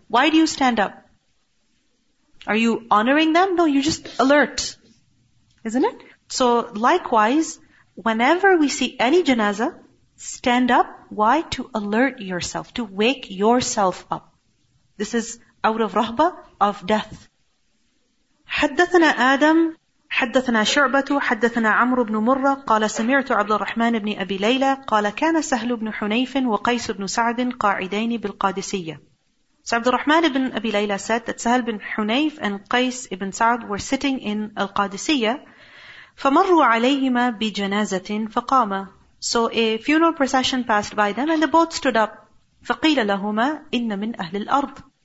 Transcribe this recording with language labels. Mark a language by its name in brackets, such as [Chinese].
[English] Why do you stand up? Are you honoring them? No, you're just alert. Isn't it? So likewise, whenever we see any janazah, stand up. Why? To alert yourself, to wake yourself up. This is out of rahba, of death. [Arabic] حدثنا آدم حدثنا شعبة حدثنا عمرو بن مرة قال سمعت عبد الرحمن بن أبي ليلى قال كان سهل بن حنيف وقيس بن سعد قاعدين بالقادسية. [English] So Abdul Rahman ibn Abi Layla said that Sahal ibn Hunayf and Qais ibn Sa'd were sitting in Al-Qadisiyya. [Arabic] فَمَرُّوا عَلَيْهِمَا بِجَنَازَةٍ فَقَامَ. [English] So a funeral procession passed by them and they both stood up. [Arabic] فَقِيلَ لَهُمَا إِنَّ مِنْ أَهْلِ الْأَرْضِ.